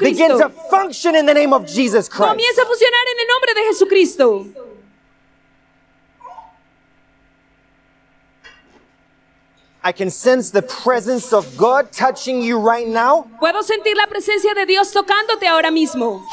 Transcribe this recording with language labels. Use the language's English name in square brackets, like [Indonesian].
[English] Begin to function in the name of Jesus Christ. [Spanish] Comienza a fusionar en el nombre de Jesucristo. [English] I can sense the presence of God touching you right now. [Spanish] Puedo sentir la presencia de Dios tocándote ahora mismo.